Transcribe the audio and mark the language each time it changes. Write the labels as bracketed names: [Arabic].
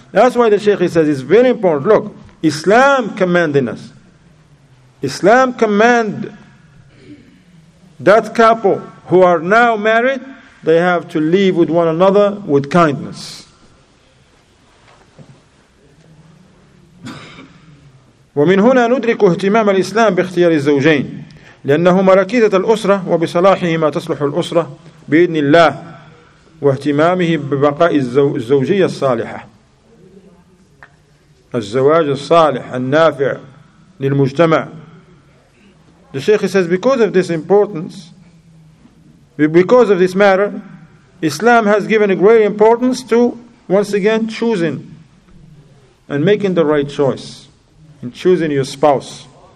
[English] That's why the Shaykh says it's very important. Look, Islam commanding us. Islam command that couple who are now married, they have to live with one another with kindness. [Arabic] ومن هنا ندرك اهتمام الإسلام باختيار الزوجين لأنهما ركيزة الأسرة وبصلاحهما تصلح الأسرة بإذن الله واهتمامه ببقاء الزوجية الصالحة الزواج الصالح النافع للمجتمع. [English] The Shaykh says, because of this importance, because of this matter, Islam has given a great importance to, once again, choosing and making the right choice in choosing your spouse.